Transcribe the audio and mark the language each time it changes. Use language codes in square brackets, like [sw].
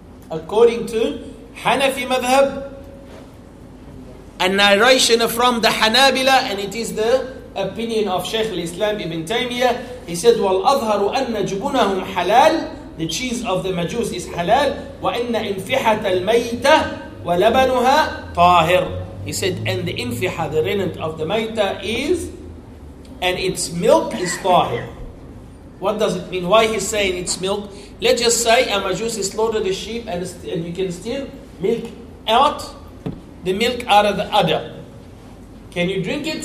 [en] According to Hanafi Madhab, a narration from the Hanabila, and it is the opinion of Shaykh al-Islam ibn Taymiyyah. He said, [ar] وَالْأَظْهَرُ أَنَّ جُبُنَهُمْ حَلَالٌ. [en] The cheese of the Majus is halal. [ar] وَإِنَّ إِنْفِحَةَ الْمَيْتَةِ وَلَبَنُهَا طَاهِرٌ. [en] He said, and the infiha, the rennet of the mayta, is, and its milk is tahir. What does it mean? Why he's saying its milk? Let's just say a Majus is slaughtered a sheep and you can steal milk out, the milk out of the udder. Can you drink it?